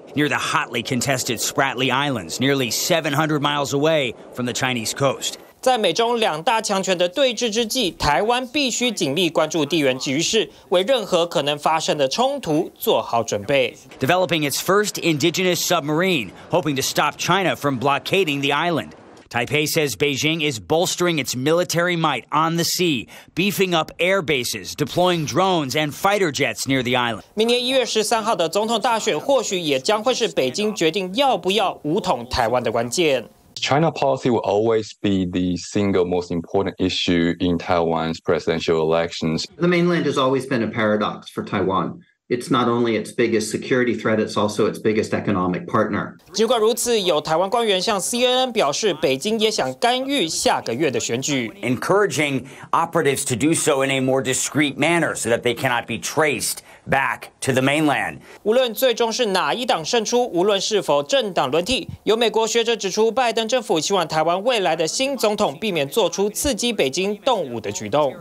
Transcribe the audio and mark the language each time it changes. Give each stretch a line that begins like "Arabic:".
English: Near the hotly contested Spratly Islands, nearly 700 miles away from the Chinese coast.
Chinese: 在美中两大强权的对峙之际，台湾必须紧密关注地缘局势，为任何可能发生的冲突做好准备。
English: Developing its first indigenous submarine, hoping to stop China from blockading the island. Taipei says Beijing is bolstering its military might on the sea, beefing up air bases, deploying drones and fighter jets near the island.
Chinese: 明年1月13号的总统大选或许也将会是北京决定要不要武统台湾的关键。
English: China policy will always be the single most important issue in Taiwan's presidential elections. The mainland has always been a paradox for Taiwan. It's not only its biggest security threat, it's also its biggest economic partner.
Chinese: 尽管如此，有台湾官员向 CNN 表示，北京也想干预下个月的选举。
English: Encouraging operatives to do so in a more discreet manner so that they cannot be traced back to the mainland.
Chinese: 无论最终是哪一党胜出，无论是否政党轮替，有美国学者指出，拜登政府希望台湾未来的新总统避免做出刺激北京动武的举动。